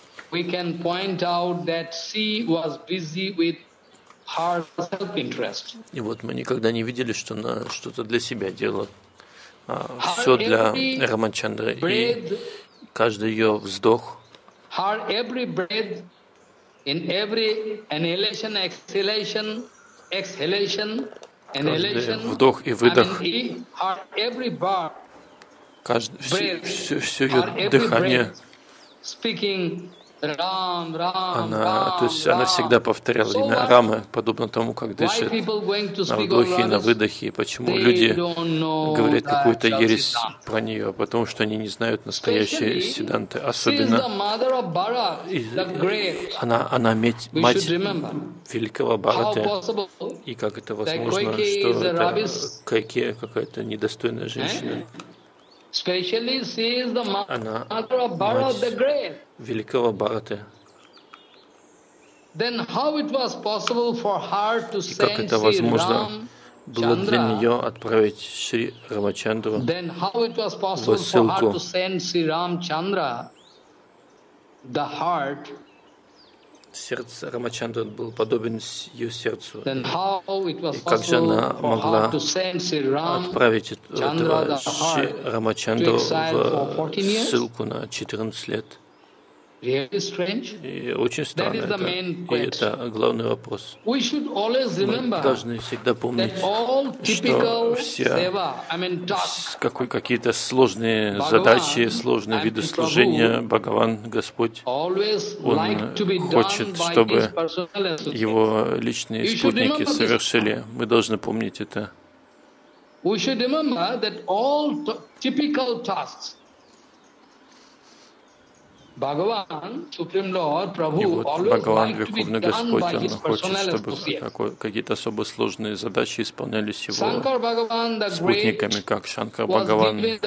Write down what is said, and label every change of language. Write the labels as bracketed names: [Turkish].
[English] We can point out that she was busy with her self-interest. [Russian] И вот мы никогда не видели, что она что-то для себя делала, все для Рамачандры. И каждый ее вздох, [English] her every breath, in every inhalation, exhalation, exhalation, inhalation, [Russian] вдох и выдох, [English] her every breath, [Russian] все ее дыхание, [English] speaking. [Russian] Она всегда повторяла имя Рамы, подобно тому, как дышит на вдохе и на выдохе. И почему люди говорят какую-то ересь про нее? Потому что они не знают настоящие Сиддханты. Особенно она мать великого Бхараты. И как это возможно, что это Кайкея какая-то недостойная женщина? [English] Especially she is the mother of Bharat the Great. [Russian] Великого Бхараты. [English] Then how it was possible for her to send Shri Ramachandra? [Russian] Было для нее отправить Шри Рамачандру? [English] Then how it was possible for her to send Shri Ramachandra? The heart. [Russian] Сердце Рамачандры было подобен ее сердцу. [English] Then how it was possible for her to send Sri Ramachandra [Russian] отправить этого Шри Рамачандру в ссылку на 14 лет? [English] Really strange. [Russian] И очень странно это. И это главный вопрос. [English] We should always remember [Russian] мы должны всегда помнить, что все какие-то сложные задачи, сложные виды служения, Бхагаван, Господь, Он хочет, чтобы Его личные спутники совершили. Мы должны помнить это. [English] We should remember that all typical tasks Бхагаван, Supreme Lord, Prabhu, [Russian] и вот Бхагаван, Верховный Господь, Он хочет, чтобы какие-то особо сложные задачи исполнялись Его спутниками, как Шанкар Бхагаван.